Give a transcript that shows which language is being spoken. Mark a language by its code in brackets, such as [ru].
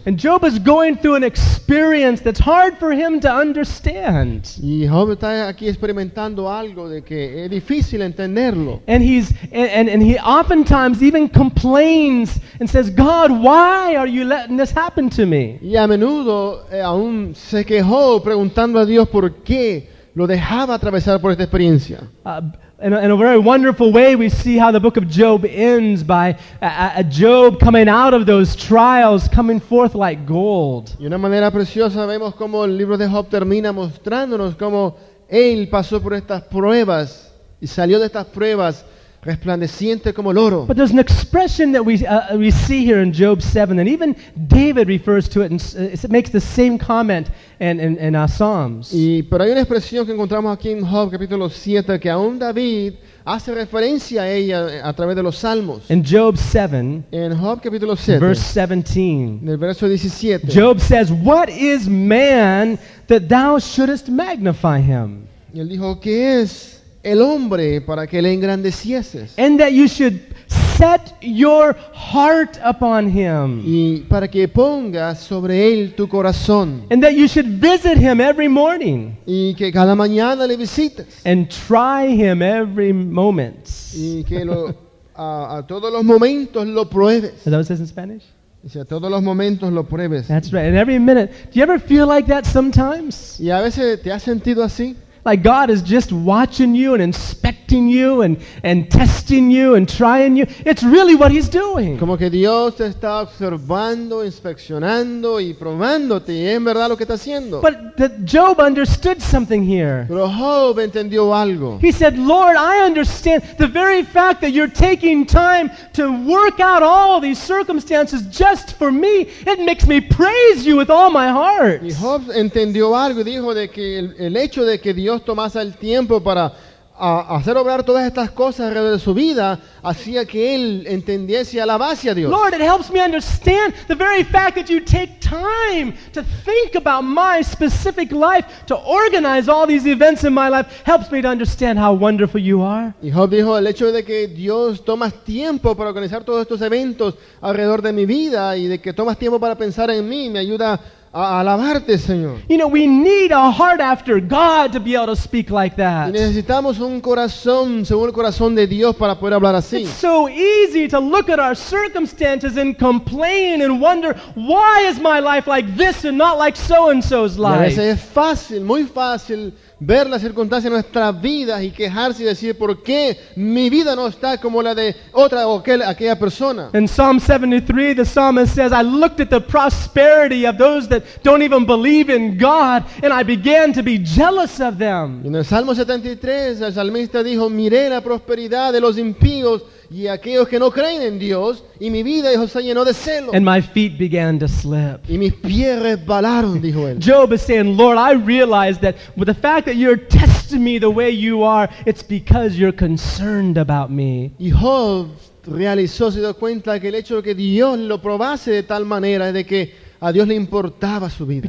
[en] And Job is going through an experience that's hard for him to understand. [es] Y Job está aquí experimentando algo de que es difícil entenderlo. [en] And he oftentimes even complains and says, God, why are you letting this happen to me? [es] Y a menudo aún se quejó preguntando a Dios por qué lo dejaba atravesar por esta experiencia. [en] In a very wonderful way, we see how the book of Job ends by a Job coming out of those trials, coming forth like gold. [es] Y una manera preciosa vemos cómo el libro de Job termina mostrándonos cómo él pasó por estas pruebas y salió de estas pruebas resplandeciente como el oro. [en] But there's an expression that we see here in Job 7, and even David refers to it and makes the same comment in our Psalms. [es] Y pero hay una expresión que encontramos aquí en Job capítulo 7 que aún David hace referencia a ella a través de los Salmos. [en] In Job 7, [es] en Job capítulo 7, [en] verse 17, [es] el verso 17, [en] Job says, "What is man that thou shouldest magnify him?" [es] Y él dijo, ¿qué es el hombre para que le engrandecieses? [en] And that you should set your heart upon him. [es] Y para que pongas sobre él tu corazón. [en] And that you should visit him every morning. [es] Y que cada mañana le visites. [en] And try him every moment. [es] Y que lo, a todos los momentos lo pruebes. [en] Is that what it says in Spanish? [es] Dice, a todos los momentos lo pruebes. [en] That's right. And every minute. Do you ever feel like that sometimes? [es] Y a veces te has sentido así. [en] Like God is just watching you and inspecting you and testing you and trying you. It's really what He's doing. [es] Como que Dios está observando, inspeccionando y probándote. Y es verdad lo que está haciendo. [en] But Job understood something here. [es] Pero Job entendió algo. [en] He said, Lord, I understand the very fact that you're taking time to work out all these circumstances just for me, it makes me praise you with all my heart. [es] Y Job entendió algo y dijo de que el hecho de que Dios tomase el tiempo para hacer obrar todas estas cosas alrededor de su vida hacía que él entendiese y alabase a Dios. [en] Lord, it helps me understand the very fact that you take time to think about my specific life, to organize all these events in my life, helps me to understand how wonderful you are. [es] Y Job dijo, el hecho de que Dios tomas tiempo para organizar todos estos eventos alrededor de mi vida y de que tomas tiempo para pensar en mí, me ayuda a alabarte, Señor. [en] You know, we need a heart after God to be able to speak like that. [es] Y necesitamos un corazón según el corazón de Dios para poder hablar así. [en] It's so easy to look at our circumstances and complain and wonder, why is my life like this and not like so and so's life? [es] Y a veces es fácil, muy fácil ver las circunstancias de nuestra vida y quejarse y decir, ¿por qué mi vida no está como la de otra o aquella persona? [en] In Psalm 73, the psalmist says, I looked at the prosperity of those that don't even believe in God, and I began to be jealous of them. [es] Y en el Salmo 73, el salmista dijo, miré la prosperidad de los impíos y aquellos que no creen en Dios, y mi vida, dijo, se llenó de celo. [en] And my feet began to slip. [es] Y mis pies resbalaron, dijo él. [en] Job is saying, Lord, I realize that with the fact that you're testing me the way you are, it's because you're concerned about me. [es] Y Job realizó, se dio cuenta que el hecho de que Dios lo probase de tal manera de que a Dios le importaba su vida.